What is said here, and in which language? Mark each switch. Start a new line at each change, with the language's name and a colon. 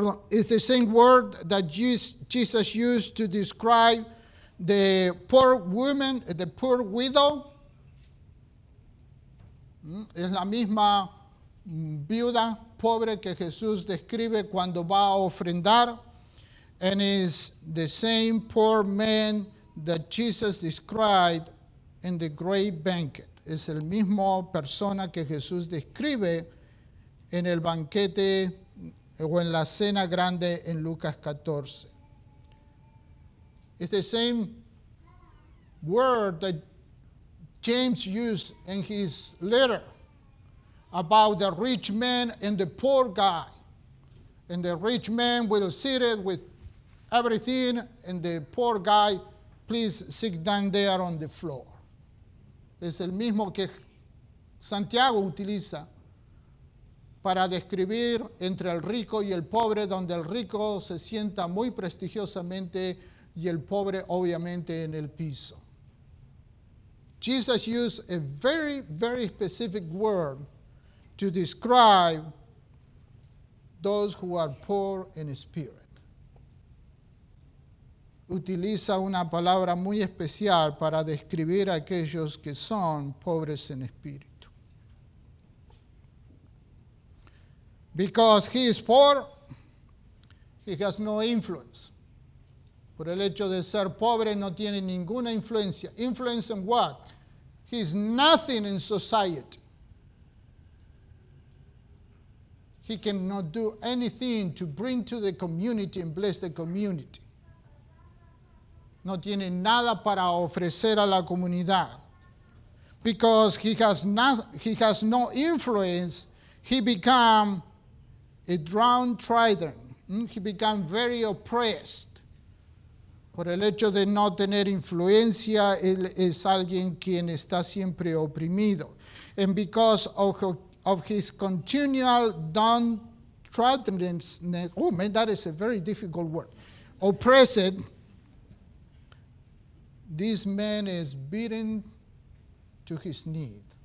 English: It's the same word that Jesus used to describe the poor woman, the poor widow.
Spanish: Es la misma viuda pobre que Jesús describe cuando va a ofrendar.
English: And it's the same poor man that Jesus described in the great banquet.
Spanish: Es el mismo persona que Jesús describe en el banquete o en la cena grande en Lucas 14.
English: It's the same word that James used in his letter about the rich man and the poor guy. And the rich man will sit it with everything, and the poor guy, please sit down there on the floor.
Spanish: Es el mismo que Santiago utiliza para describir entre el rico y el pobre, donde el rico se sienta muy prestigiosamente y el pobre obviamente en el piso.
English: Jesus used a very, very specific word to describe those who are poor in spirit.
Spanish: Utiliza una palabra muy especial para describir a aquellos que son pobres en espíritu.
English: Because he is poor, he has no influence.
Spanish: Por el hecho de ser pobre, no tiene ninguna influencia.
English: Influence in what? He's nothing in society. He cannot do anything to bring to the community and bless the community.
Spanish: No tiene nada para ofrecer a la comunidad.
English: Because he has no influence, he becomes a drowned trident He became very oppressed
Spanish: por el hecho de no tener influencia. Él es alguien quien está siempre oprimido.
English: And because of his continual downtroddenness, oh man, that is a very difficult word. Oppressed, this man is beaten to his knees.